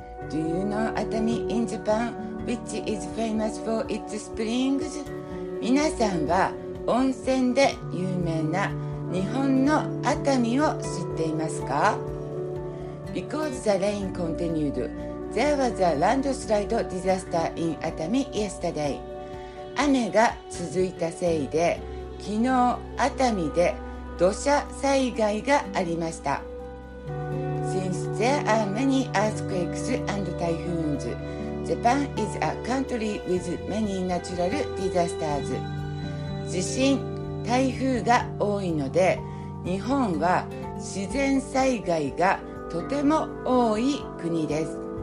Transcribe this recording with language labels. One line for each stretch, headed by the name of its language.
English: Do you know Atami in Japan, which is famous for its springs?
Japanese: 皆さんは温泉で有名な日本の熱海を知っていますか?
English: Because the rain continued, there was a landslide disaster in Atami yesterday.
Japanese: 雨が続いたせいで、昨日熱海で土砂災害がありました。
English: Since there are many earthquakes and typhoons, Japan is a country with many natural disasters.
Japanese: 地震、台風が多いので、日本は自然災害がとても多い国です。